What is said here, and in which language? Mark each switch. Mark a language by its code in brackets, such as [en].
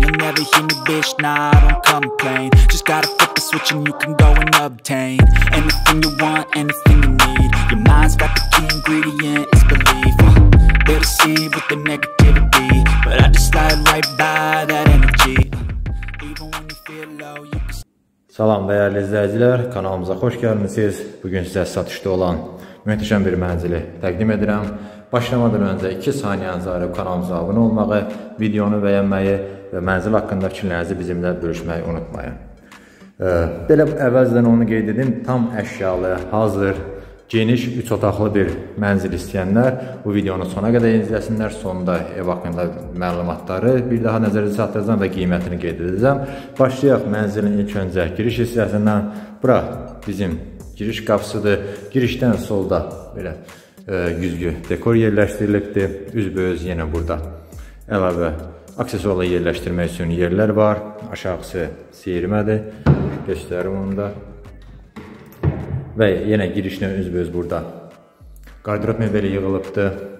[en] You'll never hear me, bitch, nah, I don't complain. Just gotta flip the switch and you can go and obtain anything you want, anything you need. Your mind's got the key ingredient, it's belief. They'll see with the negativity, but I just slide right by that energy. Even when you feel low, you can. [az] Salam dəyərli izləyicilər, kanalımıza xoş gəlmisiniz. Bugün sizə satışda olan möhtəşəm bir mənzili təqdim edirəm. Başlamadan öncə 2 saniyənizi ayırıb kanalımıza abunə olmağı, videonu bəyənməyi və mənzil haqqında fikirlərinizi bizimlə bölüşməyi unutmayın. Belə əvvəzdən onu qeyd edim, tam əşyalı, hazır, geniş, 3 otaqlı bir mənzil istəyənlər bu videonu sona qədər izləsinlər. Sonunda ev haqqında məlumatları bir daha nəzərinizə çatdıracağam və qiymətini qeyd edəcəm. Başlayaq mənzilin ilk öncə giriş hissəsindən. Bura bizim giriş qapısıdır. Girişdən solda belə güzgü dekor yerləşdirilibdir. Üzbəüz yenə burada əlavə aksesuarla yerləşdirmək üçün yerlər var. Aşağısı siyirmədir. Göstərim onu da. Və yenə girişlə üzbəüz burada qardrob mebeli yığılıbdır.